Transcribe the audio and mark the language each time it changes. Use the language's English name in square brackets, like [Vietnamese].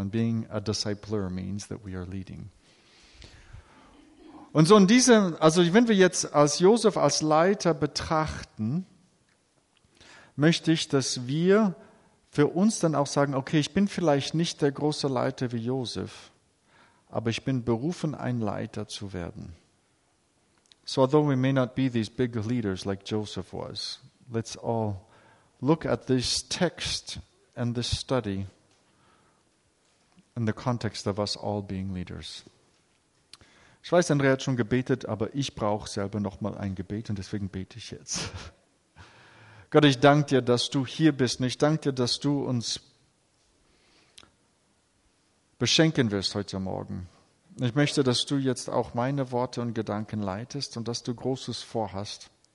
[English] And being a discipler means that we are leading. [German] Und so in diesem, also wenn wir jetzt als Josef als Leiter betrachten, möchte ich, dass wir für uns dann auch sagen, okay, ich bin vielleicht nicht der große Leiter wie Josef, aber ich bin berufen, ein Leiter zu werden. [English] So although we may not be these big leaders like Joseph was, let's all look at this text and this study in the context of us all being leaders. [German] Ich weiß, André hat schon gebetet, aber ich brauche selber nochmal ein Gebet und deswegen bete ich jetzt. Gott, ich danke dir, dass du hier bist und ich danke dir, dass du uns beschenken wirst heute Morgen. Ich möchte, dass du jetzt auch meine Worte und Gedanken leitest und dass du Großes vorhast.